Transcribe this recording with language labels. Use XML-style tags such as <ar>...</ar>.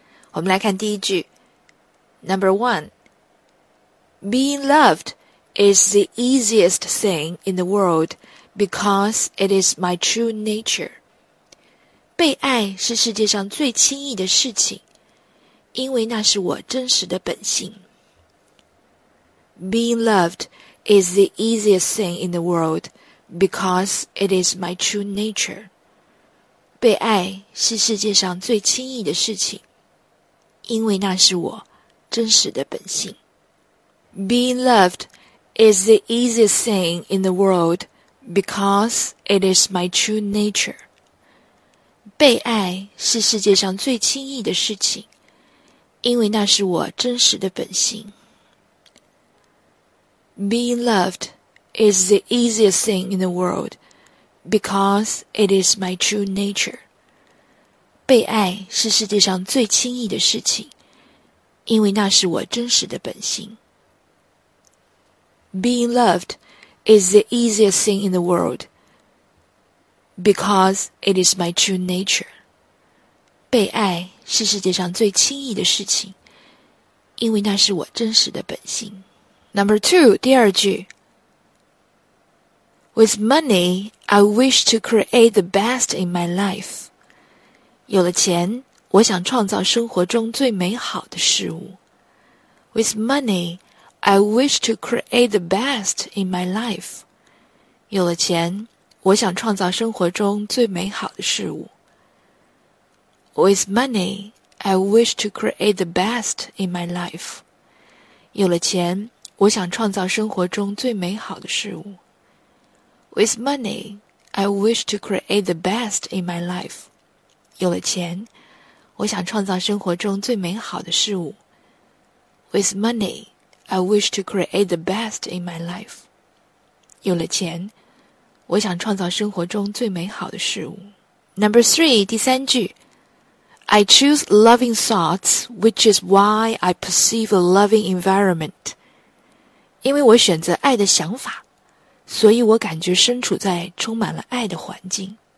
<zh>我们来看第一句</zh> <en>，Number one， Being loved is the easiest thing in the world because it is my true nature.</en> <zh>被爱是世界上最轻易的事情，因为那是我真实的本性。</zh> <en>Being loved is the easiest thing in the world because it is my true nature.</en> <zh>被爱是世界上最轻易的事情，因为那是我真实的本性。</zh> <en>Being loved is the easiest thing in the world because it is my true nature.</en> <zh>被爱是世界上最轻易的事情，因为那是我真实的本性。</zh> <en>Being loved is the easiest thing in the world because it is my true nature.</en> <zh>被爱是世界上最轻易的事情，因为那是我真实的本性。</zh> <en>Being loved is the easiest thing in the worldBecause it is my true nature.</en> <zh>被爱是世界上最轻易的事情，因为那是我真实的本性。</zh> <en>Number two,</en> <zh>第二句。</zh> <en>With money, I wish to create the best in my life.</en> <zh>有了钱，我想创造生活中最美好的事物。</zh> <en>With money, I wish to create the best in my life.</en> <zh>有了钱我想创造生活中最美好的事物。</zh> <en>With money, I wish to create the best in my life.</en> <zh>有了钱，我想创造生活中最美好的事物。</zh> <en>With money, I wish to create the best in my life.</en> <zh>有了钱，我想创造生活中最美好的事物。</zh> <en>With money, I wish to create the best in my life.</en> <zh>有了钱我想创造生活中最美好的事物。</zh> <en>Number three,</en> <zh>第三句。</zh> <en>I choose loving thoughts, which is why I perceive a loving environment.</en> <zh>因为我选择爱的想法，所以我感觉身处在充满了爱的环境。</zh>